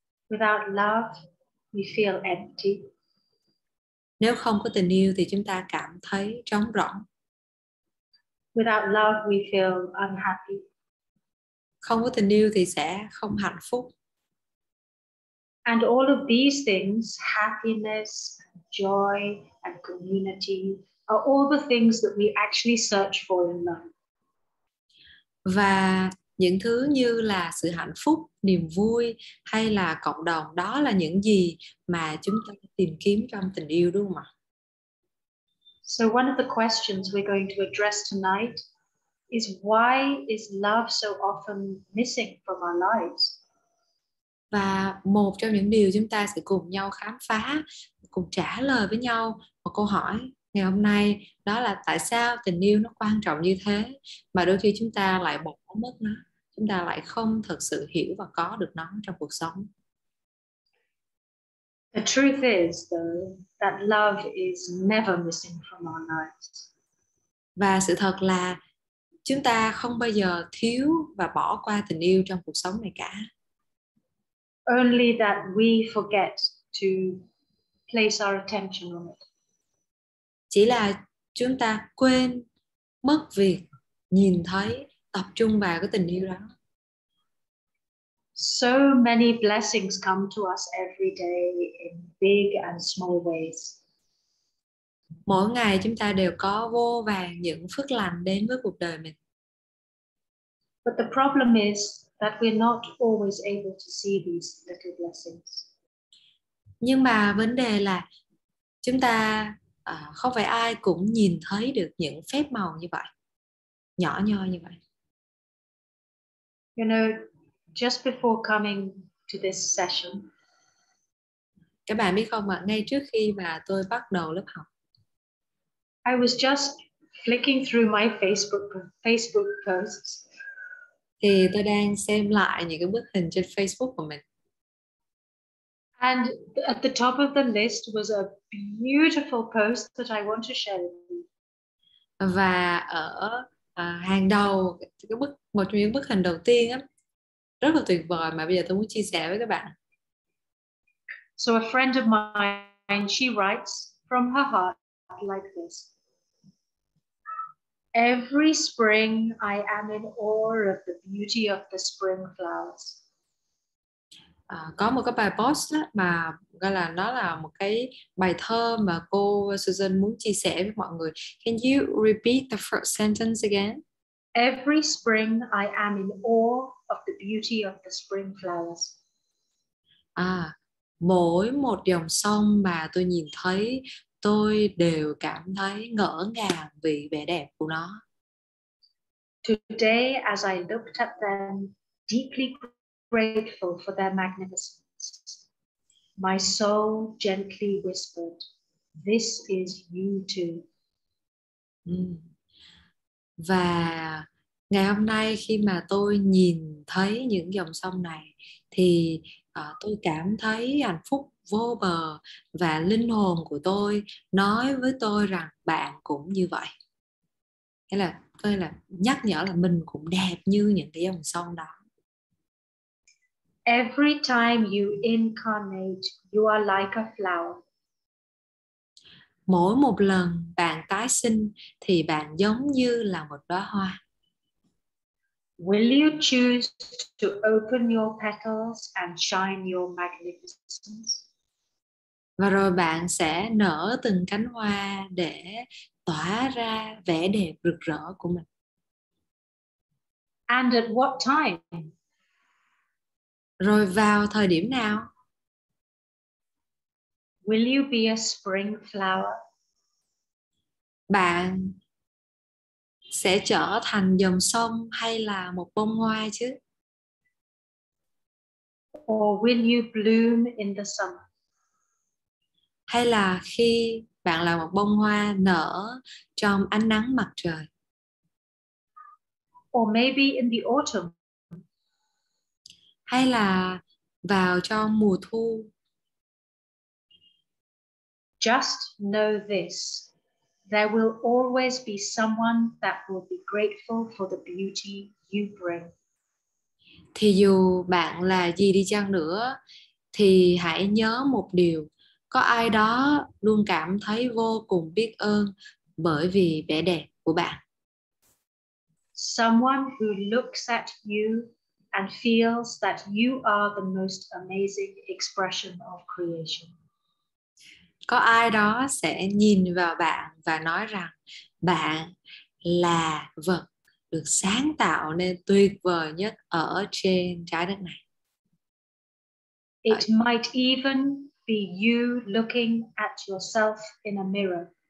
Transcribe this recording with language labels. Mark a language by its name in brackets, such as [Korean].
[English] Without love we feel empty. [Vietnamese] Nếu không có tình yêu thì chúng ta cảm thấy trống rỗng. [English] Without love we feel unhappy. [Vietnamese] Không có tình yêu thì sẽ không hạnh phúc. [English] And all of these things, happiness, joy and community are all the things that we actually search for in life. [Vietnamese] Và những thứ như là sự hạnh phúc, niềm vui hay là cộng đồng, đó là những gì mà chúng ta tìm kiếm trong tình yêu, đúng không ạ? [English] So one of the questions we're going to address tonight is why is love so often missing from our lives? [Vietnamese] Và một trong những điều chúng ta sẽ cùng nhau khám phá, cùng trả lời với nhau một câu hỏi ngày hôm nay, đó là tại sao tình yêu nó quan trọng như thế mà đôi khi chúng ta lại bỏ mất nó, chúng ta lại không thực sự hiểu và có được nó trong cuộc sống. [English] The truth is, though, that love is never missing from our lives. [Vietnamese] Và sự thật là chúng ta không bao giờ thiếu và bỏ qua tình yêu trong cuộc sống này cả. [English] Only that we forget to place our attention on it. [Vietnamese] Chỉ là chúng ta quên mất việc nhìn thấy, tập trung vào cái tình yêu đó. [English] So many blessings come to us every day in big and small ways. [Vietnamese] Mỗi ngày chúng ta đều có vô vàn những phước lành đến với cuộc đời mình. [English] But the problem is that we're not always able to see these little blessings. [Vietnamese] Nhưng mà vấn đề là chúng ta không phải ai cũng nhìn thấy được những phép màu như vậy, nhỏ nhoi như vậy. [English] You know, just before coming to this session, [Vietnamese] các bạn biết không ạ, ngay trước khi mà tôi bắt đầu lớp học, [English] I was just flicking through my Facebook posts. [Vietnamese] Thì tôi đang xem lại những cái bức hình trên Facebook của mình. [English] And at the top of the list was a beautiful post that I want to share with you. [Vietnamese] Và ở hàng đầu, cái bức, một trong những bức hình đầu tiên á, rất là tuyệt vời mà bây giờ tôi muốn chia sẻ với các bạn. [English] So a friend of mine, she writes from her heart like this. Every spring I am in awe of the beauty of the spring flowers. [Vietnamese] Có một cái bài post đó mà gọi là nó là một cái bài thơ mà cô Susan muốn chia sẻ với mọi người. [English] Can you repeat the first sentence again? Every spring I am in awe of the beauty of the spring flowers. [Vietnamese] Mỗi một dòng sông mà tôi nhìn thấy, tôi đều cảm thấy ngỡ ngàng vì vẻ đẹp của nó. [English] Today as I looked at them, deeply grateful for their magnificence, my soul gently whispered, "This is you too." [Vietnamese] Và ngày hôm nay khi mà tôi nhìn thấy những dòng sông này thì tôi cảm thấy hạnh phúc vô bờ và linh hồn của tôi nói với tôi rằng bạn cũng như vậy. Thế là tôi là nhắc nhở là mình cũng đẹp như những cái dòng sông đó. [English] Every time you incarnate, you are like a flower. [Vietnamese] Mỗi một lần bạn tái sinh thì bạn giống như là một đóa hoa. [English] Will you choose to open your petals and shine your magnificence? [Vietnamese] Và rồi bạn sẽ nở từng cánh hoa để tỏa ra vẻ đẹp rực rỡ của mình. [English] And at what time? [Vietnamese] Rồi vào thời điểm nào? [English] Will you be a spring flower? [Vietnamese] Bạn sẽ trở thành dòng sông hay là một bông hoa chứ? [English] Or will you bloom in the summer? [Vietnamese] Hay là khi bạn là một bông hoa nở trong ánh nắng mặt trời? [English] Or maybe in the autumn? [Vietnamese] Hay là vào trong mùa thu? [English] Just know this. There will always be someone that will be grateful for the beauty you bring. [Vietnamese] Thì dù bạn là gì đi chăng nữa, thì hãy nhớ một điều. Có ai đó luôn cảm thấy vô cùng biết ơn bởi vì vẻ đẹp của bạn. [English] Someone who looks at you and feels that you are the most amazing expression of creation. [Vietnamese] Có ai đó sẽ nhìn vào bạn và nói rằng bạn là vật được sáng tạo nên tuyệt vời nhất ở trên trái đất này. [English] It might even be you looking at yourself in a mirror.